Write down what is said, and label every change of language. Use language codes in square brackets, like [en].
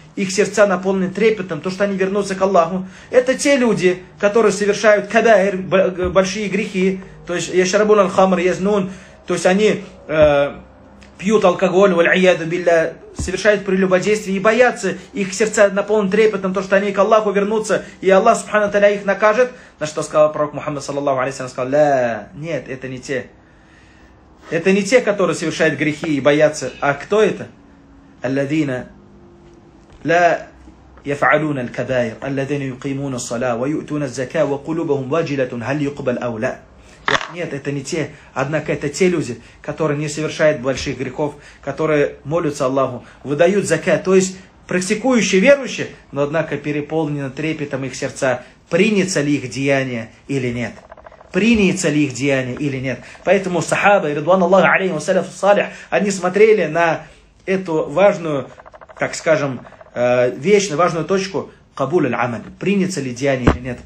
[ru] их сердца наполнены трепетом, то, что они вернутся к Аллаху. Это те люди, которые совершают кабаир, большие грехи, то есть [ar] яшрабун аль-хамр, язнун, [ru] то есть они пьют алкоголь, валь-ияду билля, совершают прелюбодействие и боятся, их сердца наполнены трепетом, то, что они к Аллаху вернутся, и Аллах, субхану таля, их накажет. На что сказал пророк Мухаммад, саллаллаху алейхи ва саллям, сказал, ля, нет, это не те. Это не те, которые совершают грехи и боятся. А кто это? Алладина. [ar] لا يفعلون الكبائر الذين يقيمون الصلاة ويؤتون الزكاة وقلوبهم واجلة هل يقبل أو لا. [ru] Нет, это не те. Однако это те люди, которые не совершают больших грехов, которые молятся Аллаху, выдают зака, то есть практикующие верующие, но однако переполнены трепетом их сердца, принятся ли их деяния или нет. Принятся ли их деяния или нет. Поэтому сахаба, ридуан Аллаху алейхим ва саляфу салих, они смотрели на эту важную, так скажем, вечно важную точку кабуль аль-амаль, принятся ли деяния или нет.